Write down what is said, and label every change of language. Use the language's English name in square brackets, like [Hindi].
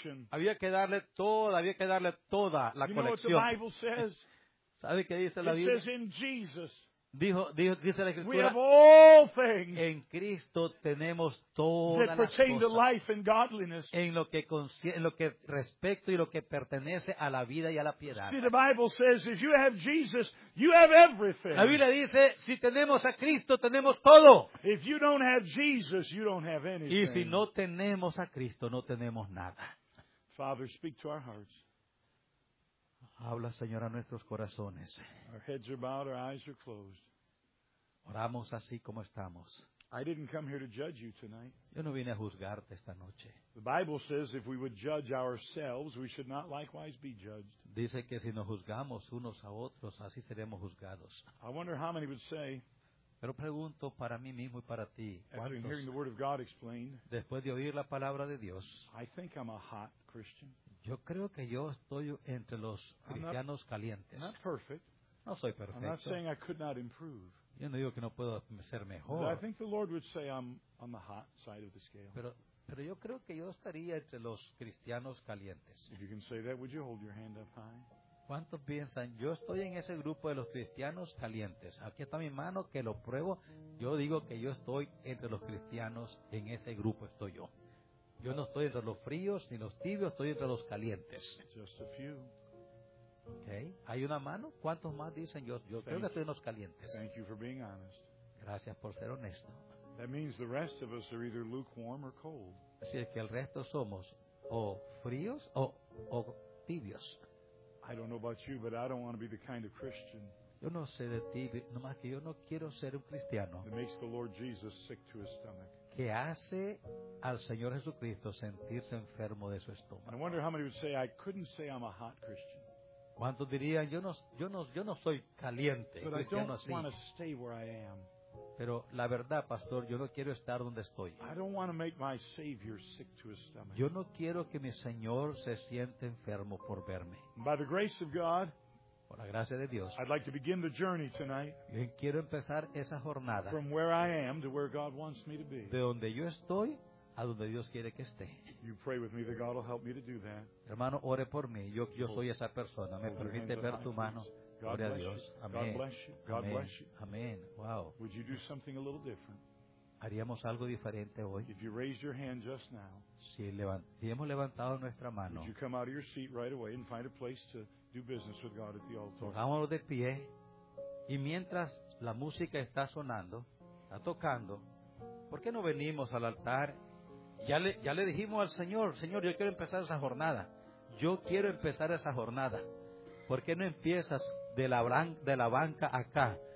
[Spanish] Había que darle toda la colección. ¿Sabe qué dice la Biblia? Dice la Escritura. [English] We have all things [Spanish] en Cristo tenemos todas las cosas. [English] To life and godliness. [Spanish] En lo que respecto y lo que pertenece a la vida y a la piedad. [English] See, the Bible says, if you have Jesus, you have everything. [Spanish] La Biblia dice, si tenemos a Cristo, tenemos todo. [English] If you don't have Jesus, you don't have anything. [Spanish] Y si no tenemos a Cristo, no tenemos nada. [English] Father, speak to our hearts. [Spanish] Habla, Señor, a nuestros corazones. [English] Our heads are bowed, our eyes are closed. [Spanish] Oramos así como estamos. [English] I didn't come here to judge you tonight. [Spanish] Yo no vine a juzgarte esta noche. [English] The Bible says if we would judge ourselves, we should not likewise be judged. [Spanish] Dice que si nos juzgamos unos a otros, así seremos juzgados. [English] I wonder how many would say, [Spanish] pero pregunto para mí mismo y para ti, [English] after hearing the word of God explained, [Spanish] después de oír la palabra de Dios, [English] I think I'm a hot Christian. [Spanish] Yo creo que yo estoy entre los cristianos calientes. [English] Not perfect. [Spanish] No soy perfecto. [English] I'm not saying I could not improve. [Spanish] Yo no digo que no puedo ser mejor. [English] But I think the Lord would say I'm on the hot side of the scale. [Spanish] Pero yo creo que yo estaría entre los cristianos calientes. [English] If you can say that, would you hold your hand up high? [Spanish] ¿Cuántos piensan? Yo estoy en ese grupo de los cristianos calientes. Aquí está mi mano, que lo pruebo. Yo digo que yo estoy entre los cristianos, en ese grupo estoy yo. Yo no estoy entre los fríos ni los tibios, estoy entre los calientes. [English] Just a few. [Spanish] Okay. ¿Hay una mano? ¿Cuántos más dicen? Yo creo que estoy en los calientes. [English] Thank you for being honest. [Spanish] Gracias por ser honesto. [English] That means the rest of us are either lukewarm or cold. [Spanish] Así es que el resto somos o fríos o tibios. [English] I don't know about you, but I don't want to be the kind of Christian. [Spanish] Yo no sé de ti, nomás que yo no quiero ser un cristiano. [English] That makes the Lord Jesus sick to his stomach. [Spanish] que hace al Señor Jesucristo sentirse enfermo de su estómago. [English] I wonder how many would say, I couldn't say I'm a hot Christian. [Spanish] ¿Cuántos dirían, yo no soy caliente, cristiano así? [English] But I don't want to stay where I am. [Spanish] Pero la verdad, pastor, yo no quiero estar donde estoy. [English] I don't want to make my Savior sick to his stomach. [Spanish] Yo no quiero que mi Señor se siente enfermo por verme. [English] By the grace of God, [Spanish] por la gracia de Dios, [English] I'd like to begin the journey tonight. [Spanish] Yo quiero empezar esa jornada. [English] From where I am to where God wants me to be. [Spanish] De donde yo estoy a donde Dios quiere que esté. [English] You pray with me that God will help me to do that. [Spanish] Hermano, ore por mí. Yo soy esa persona. Me permite ver tu mano. Gloria a Dios. Amén. [English] God bless you. [Spanish] Amén. Wow. [English] Would you do something a little different? [Spanish] Haríamos algo diferente hoy. [English] If you raise your hand just now. [Spanish] Si hemos levantado nuestra mano. [English] Would you come out of your seat right away and find a place to do business with God at the altar? [Spanish] Pongámonos de pie y mientras la música está sonando, está tocando, ¿por qué no venimos al altar? Ya le dijimos al Señor, Señor, yo quiero empezar esa jornada. Yo quiero empezar esa jornada. ¿Por qué no empiezas de la banca acá?